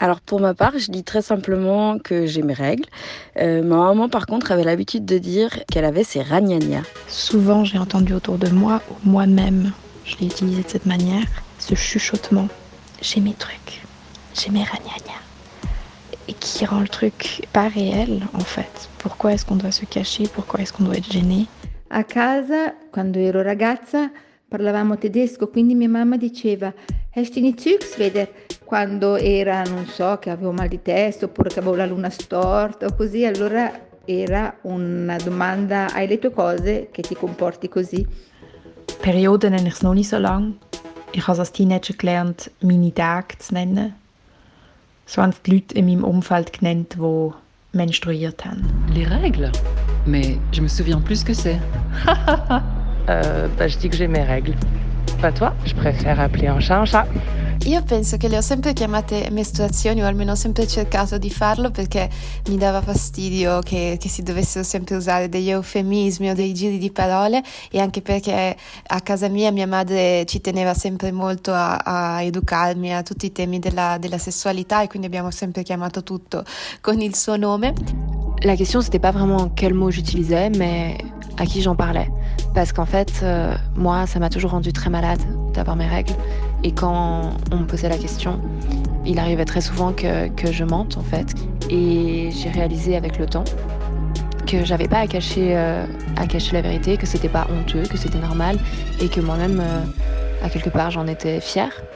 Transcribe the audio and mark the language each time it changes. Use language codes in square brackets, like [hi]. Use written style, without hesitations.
[fr] Alors pour ma part, je dis très simplement que j'ai mes règles. Ma maman, par contre, avait l'habitude de dire qu'elle avait ses ragnagnas. Souvent, j'ai entendu autour de moi, ou moi-même, je l'ai utilisé de cette manière, ce chuchotement « j'ai mes trucs, j'ai mes ragnagnas ». Et qui rend le truc pas réel, en fait. Pourquoi est-ce qu'on doit se cacher? Pourquoi est-ce qu'on doit être gêné? [it] À casa, quando ero ragazza, parlavamo tedesco, quindi mia mamma diceva «Esti ni zugsveder?» quando era, non so, che avevo mal di testa, oppure che avevo la luna storta, o così, allora era una domanda «Hai le tue cose?» che ti comporti così. [de] Periode nenne ich es noch nicht so lang. Ich habe als Teenager gelernt, meine Tage zu nennen. So haben es die Leute in meinem Umfeld genannt, die menstruiert haben. [fr] Les règles? Mais je me souviens plus ce que c'est. Je dis que j'ai mes règles. Pas toi? Je préfère appeler un chat un chat. [it] Io penso che le ho sempre chiamate mestruazioni, o almeno ho sempre cercato di farlo, perché mi dava fastidio che si dovessero sempre usare degli eufemismi o dei giri di parole, e anche perché a casa mia mia madre ci teneva sempre molto a educarmi a tutti i temi della sessualità, e quindi abbiamo sempre chiamato tutto con il suo nome. [fr] La question c'était pas vraiment quel mot j'utilisais, mais à qui j'en parlais. Parce qu'en fait, moi, ça m'a toujours rendue très malade d'avoir mes règles. Et quand on me posait la question, il arrivait très souvent que je mente, en fait. Et j'ai réalisé avec le temps que j'avais pas à cacher la vérité, que c'était pas honteux, que c'était normal, et que moi-même, à quelque part, j'en étais fière.